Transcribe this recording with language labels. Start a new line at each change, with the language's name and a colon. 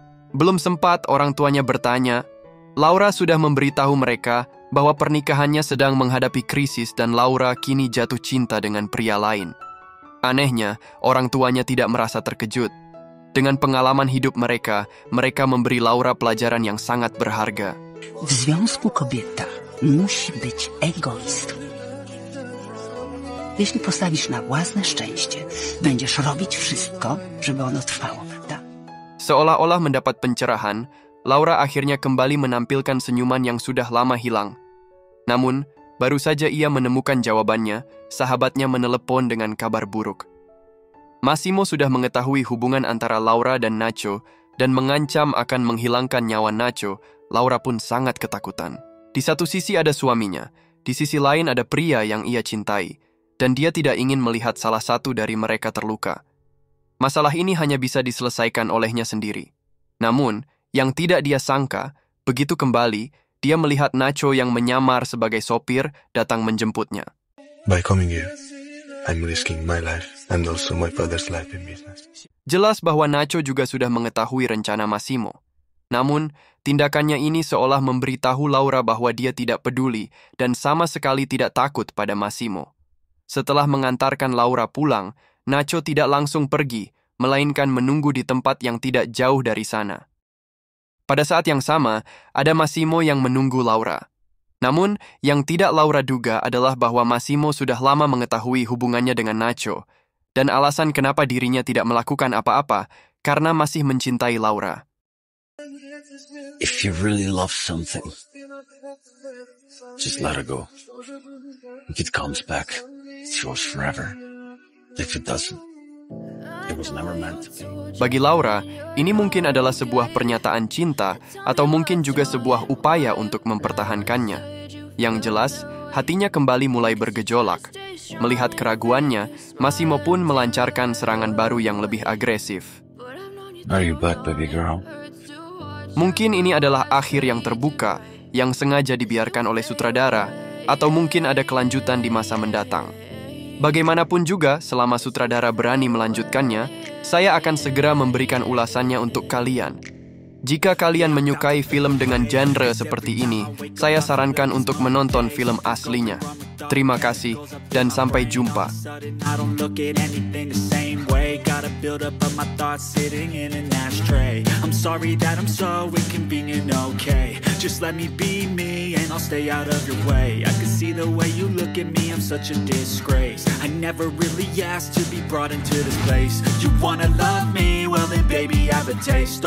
Indonesian: Belum sempat orang tuanya bertanya, Laura sudah memberitahu mereka bahwa pernikahannya sedang menghadapi krisis dan Laura kini jatuh cinta dengan pria lain. Anehnya, orang tuanya tidak merasa terkejut. Dengan pengalaman hidup mereka, mereka memberi Laura pelajaran yang sangat berharga.
Polish: W związku kobieta musi być egoistą. Jeśli postawisz na własne szczęście, będziesz robić wszystko, żeby ono trwało, prawda?
Indonesian: Seolah-olah mendapat pencerahan, Laura akhirnya kembali menampilkan senyuman yang sudah lama hilang. Namun, baru saja ia menemukan jawabannya, sahabatnya menelepon dengan kabar buruk. Massimo sudah mengetahui hubungan antara Laura dan Nacho dan mengancam akan menghilangkan nyawa Nacho, Laura pun sangat ketakutan. Di satu sisi ada suaminya, di sisi lain ada pria yang ia cintai, dan dia tidak ingin melihat salah satu dari mereka terluka. Masalah ini hanya bisa diselesaikan olehnya sendiri. Namun, yang tidak dia sangka, begitu kembali, dia melihat Nacho yang menyamar sebagai sopir datang menjemputnya.
English: By coming here, I'm risking my life and also my father's life in business.
Indonesian: Jelas bahwa Nacho juga sudah mengetahui rencana Massimo. Namun, tindakannya ini seolah memberitahu Laura bahwa dia tidak peduli dan sama sekali tidak takut pada Massimo. Setelah mengantarkan Laura pulang, Nacho tidak langsung pergi, melainkan menunggu di tempat yang tidak jauh dari sana. Pada saat yang sama, ada Massimo yang menunggu Laura. Namun, yang tidak Laura duga adalah bahwa Massimo sudah lama mengetahui hubungannya dengan Nacho, dan alasan kenapa dirinya tidak melakukan apa-apa, karena masih mencintai Laura.
English: If you really love something, just let it go. If it comes back, it's yours forever. If it doesn't, it was never meant to be.
Indonesian: Bagi Laura, ini mungkin adalah sebuah pernyataan cinta atau mungkin juga sebuah upaya untuk mempertahankannya. Yang jelas, hatinya kembali mulai bergejolak. Melihat keraguannya, Massimo pun melancarkan serangan baru yang lebih agresif.
English: Are you back, baby girl?
Indonesian: Mungkin ini adalah akhir yang terbuka, yang sengaja dibiarkan oleh sutradara, atau mungkin ada kelanjutan di masa mendatang. Bagaimanapun juga, selama sutradara berani melanjutkannya, saya akan segera memberikan ulasannya untuk kalian. Jika kalian menyukai film dengan genre seperti ini, saya sarankan untuk menonton film aslinya. Terima kasih, dan sampai jumpa.
English: Build up of my thoughts sitting in an ashtray. I'm sorry that I'm so inconvenient, okay. Just let me be me and I'll stay out of your way. I can see the way you look at me, I'm such a disgrace. I never really asked to be brought into this place. You wanna love me, well then baby I have a taste.